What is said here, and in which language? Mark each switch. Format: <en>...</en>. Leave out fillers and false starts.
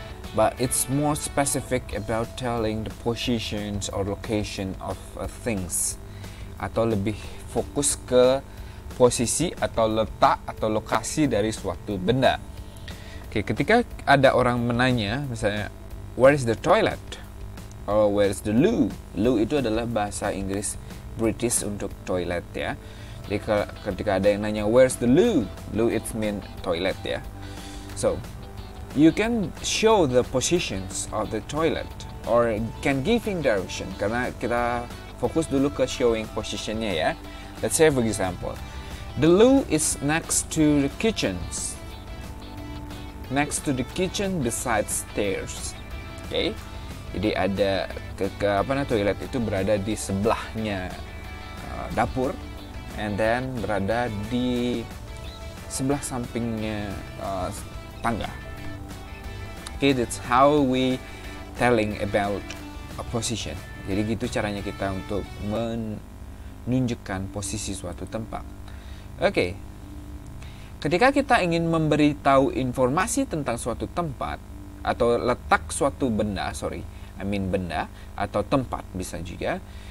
<en>But it's more specific about telling the positions or location of things.</en> <id>Atau lebih fokus ke posisi atau letak atau lokasi dari suatu benda. Okay, ketika ada orang menanya, misalnya,</id> <en>where is the toilet? Or where is the loo?</en> <id>Loo itu adalah bahasa Inggris British untuk toilet ya. Jadi ketika ada yang nanya,</id> <en>where is the loo? Loo it mean toilet</en> <id>ya.</id> <en>So, you can show the positions of the toilet or can giving direction.</en> <id>Karena kita fokus dulu ke</id> <en>showing</en> <id>positionnya ya.</id> <en>Let's say for example, the loo is next to the kitchens. Next to the kitchen beside stairs. Okay.</en> <id>Jadi ada toilet itu berada di sebelahnya dapur,</id> <en>and then</en> <id>berada di sebelah sampingnya tangga.</id> <en>Okay, that's how we telling about a position.</en> <id>Jadi gitu caranya kita untuk menunjukkan posisi suatu tempat. Okay. Ketika kita ingin memberitahu informasi tentang suatu tempat atau letak suatu benda, benda atau tempat bisa juga.</id>